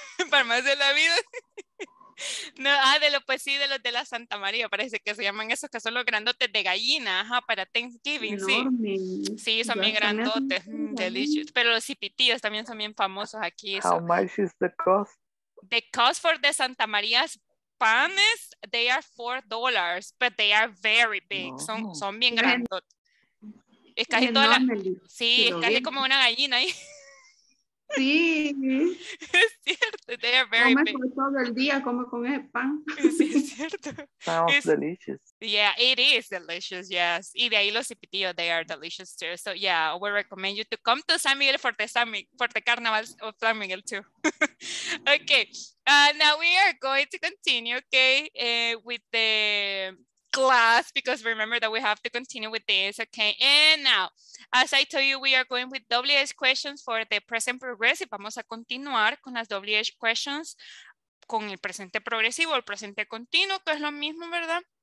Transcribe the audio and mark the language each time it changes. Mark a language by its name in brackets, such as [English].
[Spanish] Para más de la vida. No, de los de la Santa María, parece que se llaman esos, que son los grandotes de gallina, ajá, para Thanksgiving, sí. Sí, son bien grandotes, delicious. Pero los cipitillos también son bien famosos aquí. [English] How much is the cost? The cost for the Santa María's panes, they are $4, but they are very big. [Spanish] Son bien grandotes. Es casi toda la. Sí, es casi como una gallina ahí. Sí, es cierto. [English] They are very [Spanish] come todo el día, como con ese pan. Sí, es cierto. [English] Sounds delicious. Yeah, it is delicious, yes. [Spanish] Y de ahí los cipitillos, [English] they are delicious too. So yeah, we recommend you to come to San Miguel for the Carnival of San Miguel too. Okay, now we are going to continue, okay, with the class, because remember that we have to continue with this, okay? And now, as I told you, we are going with WH questions for the present progressive. [Spanish] Vamos a continuar con las WH questions con el presente progresivo, el presente continuo, que es lo mismo, ¿verdad?